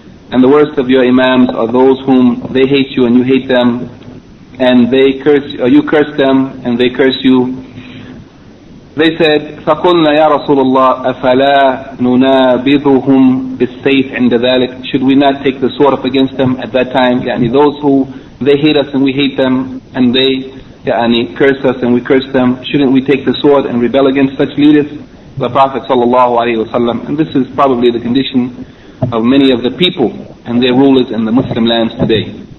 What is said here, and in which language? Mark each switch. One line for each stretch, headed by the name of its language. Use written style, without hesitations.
English: And the worst of your imams are those whom they hate you and you hate them, and they curse, or you curse them, and they curse you.
Arabic: They said, فَقُلْنَا يَا رَسُولَ اللَّهِ أَفَلَا نُنَابِذُهُمْ بِالسَّيْفِ عِنْدَ ذَلِكَ.
English: Should we not take the sword up against them at that time? يعني those who, they hate us and we hate them, and they يعني curse us and we curse them, shouldn't we take the sword and rebel against such leaders? The Prophet sallallahu alayhi wa sallam. And this is probably the condition of many of the people and their rulers in the Muslim lands today.